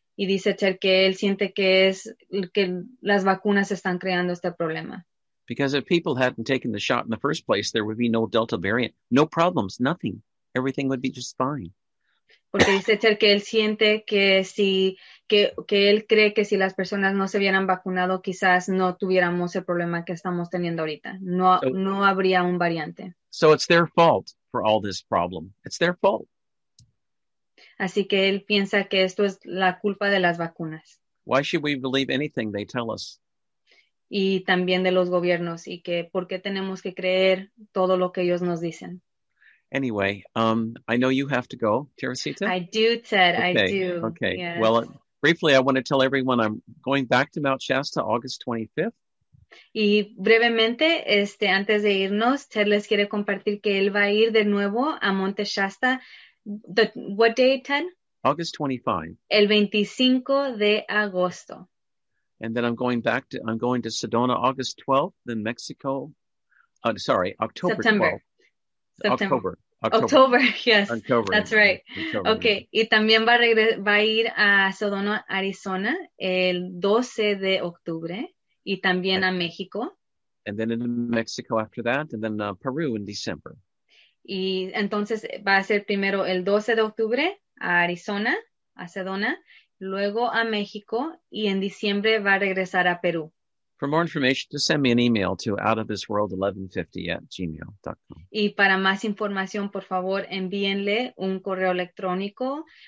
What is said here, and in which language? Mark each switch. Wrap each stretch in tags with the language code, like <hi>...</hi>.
<es>Y dice Ter que él siente que las vacunas están creando este problema.</es> <en>Because if people hadn't taken the shot in the first place, there would be no Delta variant, no problems, nothing. Everything would be just fine.</en> <es>Porque dice Ter que él siente que si él cree que si las personas no se hubieran vacunado, quizás no tuviéramos el problema que estamos teniendo ahorita. No habría un variante.</es> <en>So it's their fault for all this problem. It's their fault.</en> <es>Así que él piensa que esto es la culpa de las vacunas.</es> <en>Why should we believe anything they tell us?</en> <es>Y también de los gobiernos, y que por qué tenemos que creer todo lo que ellos nos dicen.</es> <en>Anyway, I know you have to go, Teresita. I do, Ted. Okay. I do. Okay. Yes. Well, briefly, I want to tell everyone I'm going back to Mount Shasta August 25th.</en> <es>Y brevemente, antes de irnos, Ted les quiere compartir que él va a ir de nuevo a Monte Shasta.</es> <en>What day, Ted? August 25.</en> <es>El 25 de agosto.</es> <en>And then I'm going to Sedona August 12th, then Mexico. October 12th. October, that's right.</en> <es>Okay, y también va a ir a Sedona, Arizona, el 12 de octubre, y también a México.</es> <en>And then in Mexico after that, and then Peru in December.</en> <es>Y entonces va a ser primero el 12 de octubre a Arizona, a Sedona, luego a México, y en diciembre va a regresar a Perú.</es> <en>For more information, just send me an email to outofthisworld1150@gmail.com.</en> <es>Y para más información, por favor, envíenle un correo electrónico.</es>